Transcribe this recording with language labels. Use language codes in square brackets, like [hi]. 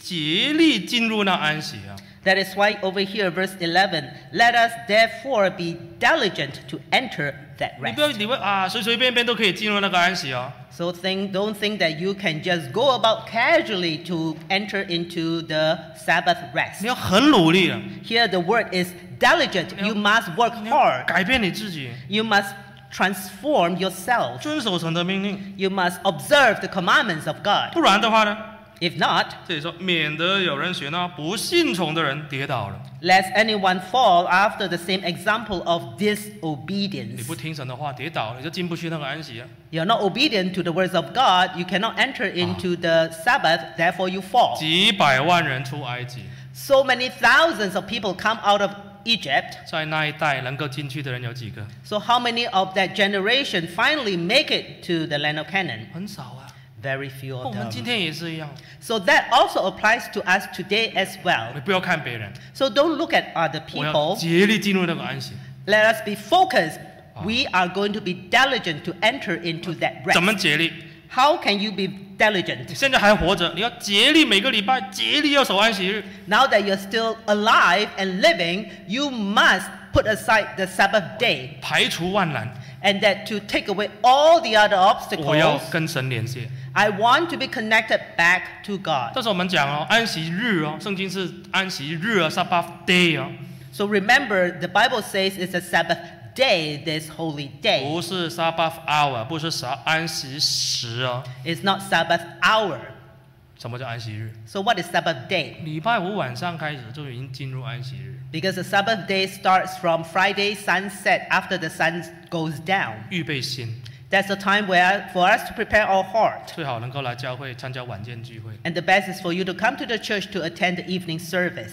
[zh] 所以圣经说第十一节，我们务必竭力进入那安息啊。 [en] That is why over here, verse 11, let us therefore be diligent to enter that rest. [zh] 你不要以为啊，随随便便都可以进入那个安息哦。 [en] So don't think that you can just go about casually to enter into the Sabbath rest. [zh] 你要很努力。 [en] Here the word is diligent. You must work hard. [zh] 改变你自己。 [en] You must transform yourself. [zh] 遵守神的命令。 [en] You must observe the commandments of God. [zh] 不然的话呢？ [en] If not, [zh] 这里说免得有人学那不信从的人跌倒了。 [en] Lest anyone fall after the same example of disobedience. [zh] 你不听神的话，跌倒，你就进不去那个安息了。 [en] You're not obedient to the words of God, you cannot enter into the Sabbath, therefore you fall. [zh] 几百万人出埃及。 [en] So many thousands of people come out of Egypt. [zh] 在那一代能够进去的人有几个？ [en] So how many of that generation finally make it to the land of Canaan? [zh] 很少啊。 [en] Very few of them. [zh] 我们今天也是一样。 [en] So that also applies to us today as well. [zh] 你不要看别人。 [en] So don't look at other people. [zh] 我要竭力进入那个安息。 [en] Let us be focused. We are going to be diligent to enter into that rest. [zh] 怎么竭力？ [en] How can you be diligent? [zh] 你现在还活着，你要竭力每个礼拜竭力要守安息日。 [en] Now that you're still alive and living, you must put aside the Sabbath day. [zh] 排除万难。 [en] And that to take away all the other obstacles. [zh] 我要跟神连接。 [en] I want to be connected back to God. [zh] 但是我们讲哦，安息日哦，圣经是安息日啊，Sabbath day哦。 [en] So remember, the Bible says it's a Sabbath day, this holy day. [zh] 不是 Sabbath hour, 不是安息时哦。 [en] It's not Sabbath hour. [zh] 什么叫安息日？ [en] So what is Sabbath day? [zh] 礼拜五晚上开始就已经进入安息日。 [en] Because the Sabbath day starts from Friday sunset after the sun goes down. [zh] 预备心。 [en] That's the time where for us to prepare our heart. [zh] 最好能够来教会参加晚间聚会。 [en] And the best is for you to come to the church to attend the evening service.